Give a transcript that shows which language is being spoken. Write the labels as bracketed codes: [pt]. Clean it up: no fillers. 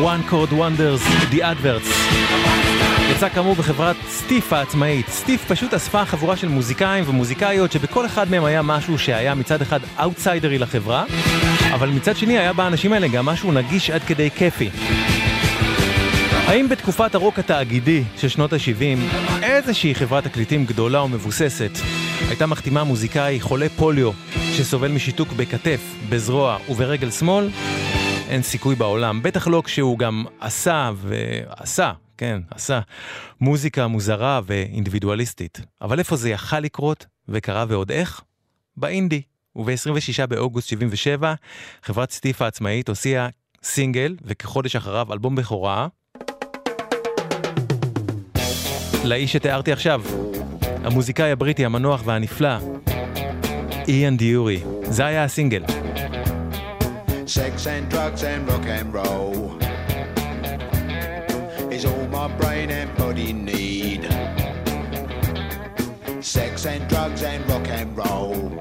[en] Chord Wonders, The Adverts. [he] יצא כאמור בחברת סטיף העצמאית. סטיף פשוט אספה חבורה של מוזיקאים ומוזיקאיות שבכל אחד מהם היה משהו שהיה מצד אחד אאוטסיידרי לחברה, אבל מצד שני היה באנשים האלה גם משהו נגיש עד כדי כיפי. האם בתקופת הרוק התאגידי של שנות ה-70, איזושהי חברת תקליטים גדולה ומבוססת הייתה מחתימה מוזיקאי חולה פוליו שסובל משיתוק בכתף, בזרוע וברגל שמאל? אין סיכוי בעולם, בטח לא כשהוא גם עשה ועשה כן, עשה. מוזיקה מוזרה ואינדיבידואליסטית. אבל איפה זה יכל לקרות וקרה ועוד איך? באינדי. וב-26 באוגוסט 77, חברת סטיפה עצמאית הוציאה סינגל, וכחודש אחריו אלבום בכורה. לאיש שתיארתי עכשיו, המוזיקאי הבריטי המנוח והנפלא, איאן דיורי. זה היה הסינגל. [en] Sex and drugs and rock and roll is all my brain and body need. Sex and drugs and rock and roll.